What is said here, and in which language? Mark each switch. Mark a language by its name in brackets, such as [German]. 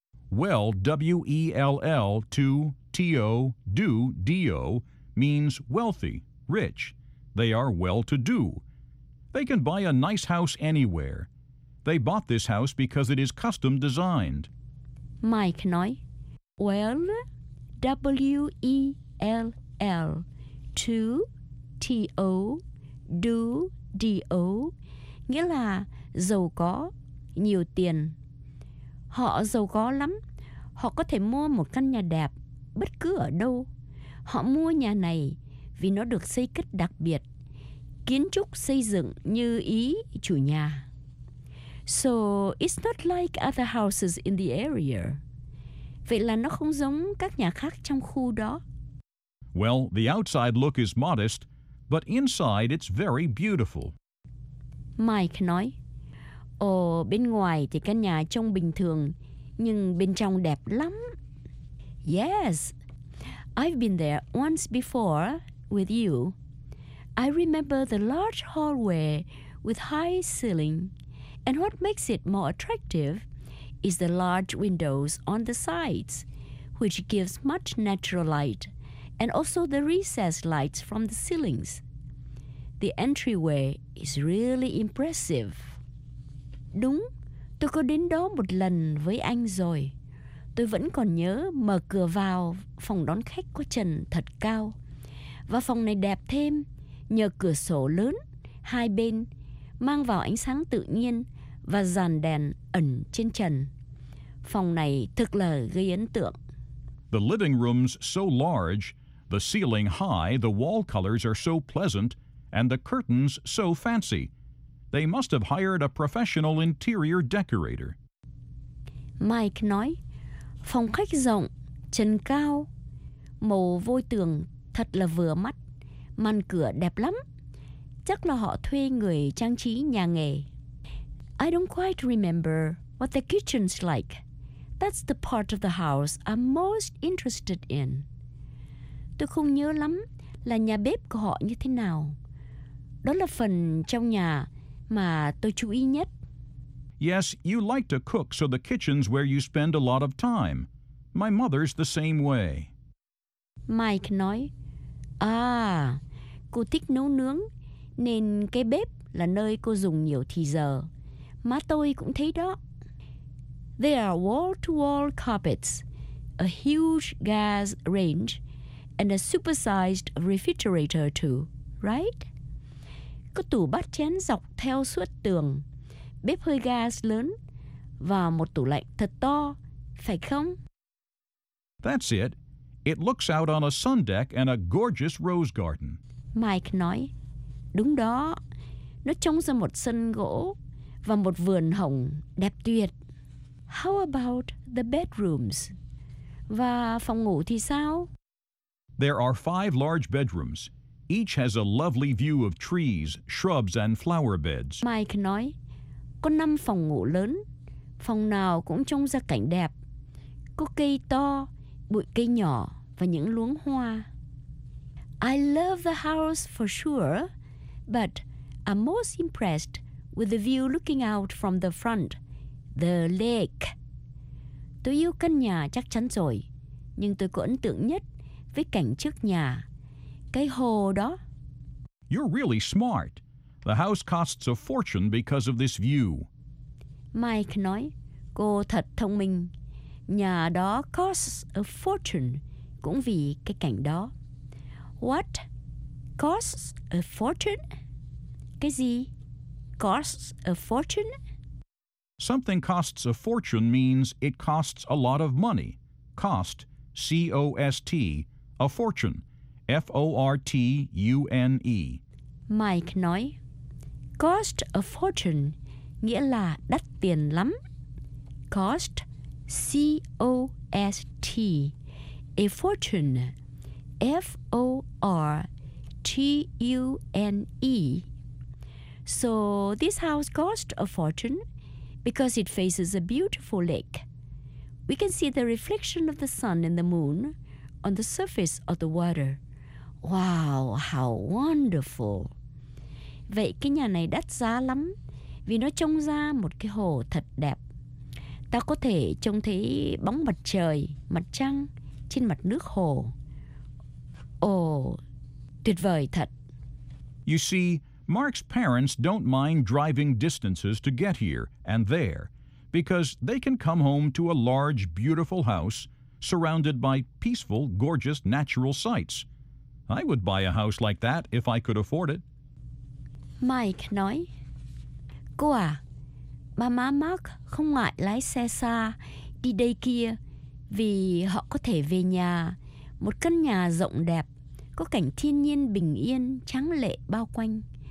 [English] well, W-E-L-L, to, T-O, do, D-O, means wealthy, rich. They are well-to-do. They can buy a nice house anywhere. They bought this house because it is custom designed. [Vietnamese] Mike nói, [English] well, W-E-L-L, to, T-O, do, D-O, [Vietnamese] nghĩa là giàu có, nhiều tiền. Họ giàu có lắm. Họ có thể mua một căn nhà đẹp bất cứ ở đâu. Họ mua nhà này vì nó được xây cất đặc biệt. Kiến trúc xây dựng như ý chủ nhà. [English] So it's not like other houses in the area. [Vietnamese] Vậy là nó không giống các nhà khác trong khu đó. [English] Well, the outside look is modest, but inside it's very beautiful. [Vietnamese] Mike nói, ồ, bên ngoài thì căn nhà trông bình thường, nhưng bên trong đẹp lắm. [English] Yes, I've been there once before with you. I remember the large hallway with high ceiling. And what makes it more attractive is the large windows on the sides, which gives much natural light, and also the recessed lights from the ceilings. The entryway is really impressive. [Vietnamese] Đúng, tôi có đến đó một lần với anh rồi. Tôi vẫn còn nhớ mở cửa vào phòng đón khách có trần thật cao. Và phòng này đẹp thêm nhờ cửa sổ lớn hai bên mang vào ánh sáng tự nhiên và dàn đèn ẩn trên trần. Phòng này thực là gây ấn tượng. [English] The living room's so large, the ceiling high, the wall colors are so pleasant, and the curtains so fancy. They must have hired a professional interior decorator. [Vietnamese] Mike nói, phòng khách rộng, trần cao, màu vôi tường thật là vừa mắt, màn cửa đẹp lắm. Chắc là họ thuê người trang trí nhà nghề. [English] I don't quite remember what the kitchen's like. That's the part of the house I'm most interested in. [Vietnamese] Tôi không nhớ lắm là nhà bếp của họ như thế nào. Đó là phần trong nhà mà tôi chú ý nhất. [English] Yes, you like to cook, so the kitchen's where you spend a lot of time. My mother's the same way. [Vietnamese] Mike nói, cô thích nấu nướng, nên cái bếp là nơi cô dùng nhiều thì giờ. Má tôi cũng thấy đó. [English] There are wall-to-wall carpets, a huge gas range, and a supersized refrigerator too, right? [Vietnamese] Có tủ bát chén dọc theo suốt tường, bếp hơi gas lớn, và một tủ lạnh thật to, phải không? [English] That's it. It looks out on a sun deck and a gorgeous rose garden. [Vietnamese] Mike nói, đúng đó, nó trông ra một sân gỗ và một vườn hồng đẹp tuyệt. [English] How about the bedrooms? [Vietnamese] Và phòng ngủ thì sao? [English] There are 5 large bedrooms. Each has a lovely view of trees, shrubs, and flower beds. [Vietnamese] Mike nói, có 5 phòng ngủ lớn. Phòng nào cũng trông ra cảnh đẹp. Có cây to, bụi cây nhỏ và những luống hoa. [English] I love the house for sure, but I'm most impressed with the view looking out from the front, the lake. [Vietnamese] Tôi yêu căn nhà chắc chắn rồi, nhưng tôi có ấn tượng nhất với cảnh trước nhà, cái hồ đó. [English] You're really smart. The house costs a fortune because of this view. [Vietnamese] Mike nói, cô thật thông minh. Nhà đó [English] costs a fortune, [Vietnamese] cũng vì cái cảnh đó. [English] What? Costs a fortune? [Vietnamese] Cái gì? [English] Costs a fortune? Something costs a fortune means it costs a lot of money. Cost, C-O-S-T, a fortune, F-O-R-T-U-N-E. [Vietnamese] Mike nói, [English] cost a fortune [Vietnamese] nghĩa là đắt tiền lắm. [English] Cost, C-O-S-T, a fortune, F-O-R-T-U-N-E. So this house cost a fortune because it faces a beautiful lake. We can see the reflection of the sun and the moon on the surface of the water. Wow, how wonderful. [Vietnamese] Vậy cái nhà này đắt giá lắm vì nó trông ra một cái hồ thật đẹp. Ta có thể trông thấy bóng mặt trời, mặt trăng trên mặt nước hồ. Tuyệt vời thật. [English] You see, Mark's parents don't mind driving distances to get here and there because they can come home to a large, beautiful house surrounded by peaceful, gorgeous natural sights. I would buy a house like that if I could afford it. [Vietnamese] Mike nói, cô à, ba má Mark không ngại lái xe xa đi đây kia vì họ có thể về nhà, một căn nhà rộng đẹp, có cảnh thiên nhiên bình yên, trắng lệ bao quanh.